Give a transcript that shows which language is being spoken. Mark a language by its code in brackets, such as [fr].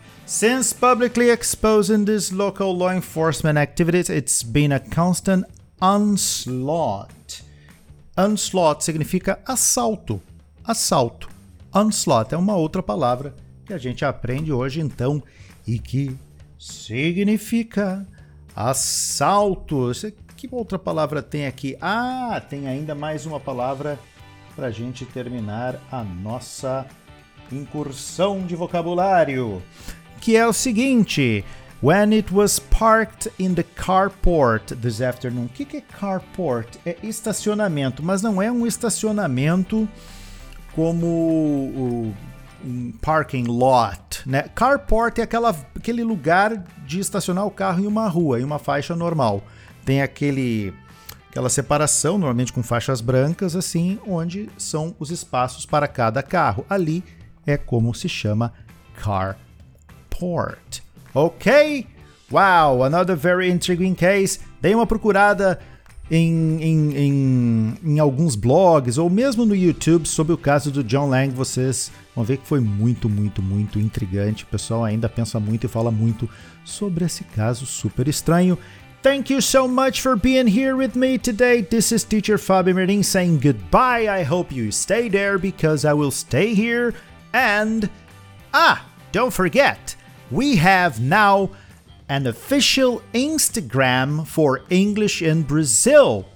[en] Since publicly exposing this local law enforcement activities, it's been a constant onslaught. [pt] Onslaught significa assalto, assalto. Onslaught é uma outra palavra que a gente aprende hoje, então, e que significa assalto. Que outra palavra tem aqui? Ah, tem ainda mais uma palavra para a gente terminar a nossa incursão de vocabulário, que é o seguinte. [en] When it was parked in the carport this afternoon. [pt] O que é carport? É estacionamento, mas não é um estacionamento como um parking lot, né? Carport é aquele lugar de estacionar o carro em uma rua, em uma faixa normal. Tem aquela separação, normalmente com faixas brancas, assim, onde são os espaços para cada carro. Ali é como se chama carport. Ok? [en] Wow, another very intriguing case. [pt] Dei uma procurada em alguns blogs ou mesmo no YouTube sobre o caso do John Lang. Vocês vão ver que foi muito, muito, muito intrigante. O pessoal ainda pensa muito e fala muito sobre esse caso super estranho. [en] Thank you so much for being here with me today. This is Teacher Fabio Merlin saying goodbye. I hope you stay there because I will stay here. And, don't forget, we have now an official Instagram for English in Brazil.